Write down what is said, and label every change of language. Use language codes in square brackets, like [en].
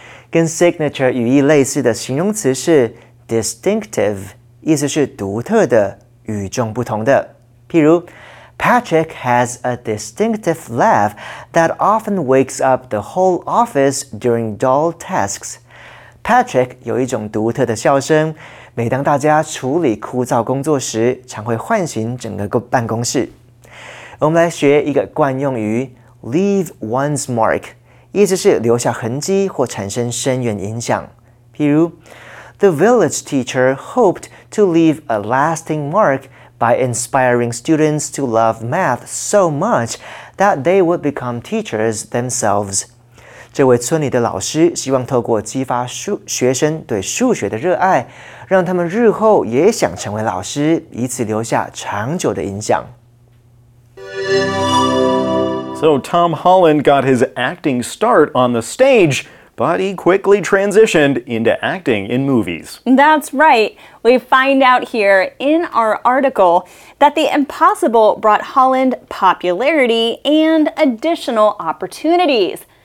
[zh] 跟 signature 语义类似的形容词是Distinctive, 意思是独特的、与众不同的。譬如 [en] ,Patrick has a distinctive laugh that often wakes up the whole office during dull tasks. [zh] Patrick 有一种独特的笑声，每当大家处理枯燥工作时，常会唤醒整个办公室。我们来学一个惯用语 , [en] leave one's mark, [zh] 意思是留下痕迹或产生深远影响。譬如 [en] The village teacher hoped to leave a lasting mark by inspiring students to love math so much that they would become teachers themselves. [zh] 这位村里的老师希望透过激发学生对数学的热爱，让他们日后也想成为老师，以此留下长久的影响。 [en] So Tom Holland got his acting start on the stage. But he quickly transitioned into acting in movies. That's right. We find out here in our article that The Impossible brought Holland popularity and additional opportunities.